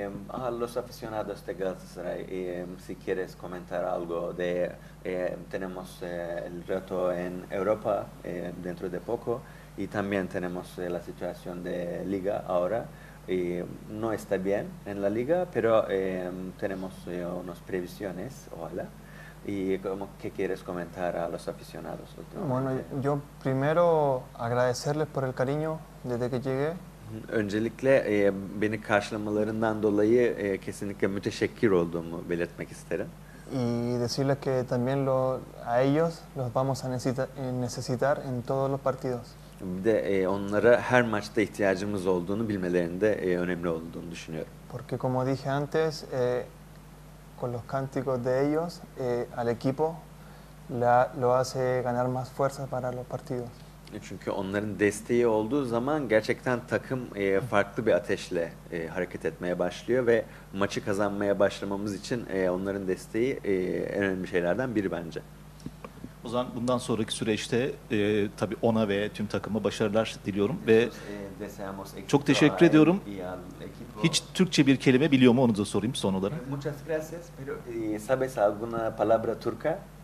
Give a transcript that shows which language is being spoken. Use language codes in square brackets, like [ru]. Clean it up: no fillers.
[es] A los aficionados de Galatasaray, si quieres comentar algo de tenemos el reto en Europa dentro de poco y también tenemos la situación de Liga ahora. No está bien en la liga, pero tenemos unas previsiones, ojalá. ¿Y cómo, qué quieres comentar a los aficionados? Bueno, yo primero agradecerles por el cariño desde que llegué. [tr] Öncelikle beni karşılamalarından dolayı kesinlikle müteşekkir olduğumu belirtmek isterim. [es] Y decirles que también lo, a ellos los vamos a necesitar en todos los partidos. [tr] Bir de onlara her maçta ihtiyacımız olduğunu bilmelerinde önemli olduğunu düşünüyorum. [es] Porque como dije antes, con los cánticos de ellos, al equipo lo hace ganar más fuerza para los partidos. [tr] Çünkü onların desteği olduğu zaman gerçekten takım farklı bir ateşle hareket etmeye başlıyor ve maçı kazanmaya başlamamız için onların desteği en önemli şeylerden biri bence. O zaman bundan sonraki süreçte tabii ona ve tüm takıma başarılar diliyorum ve çok teşekkür ediyorum. Hiç Türkçe bir kelime biliyor mu onu da sorayım son olarak. [es] Muchas gracias, pero sabes alguna palabra turca?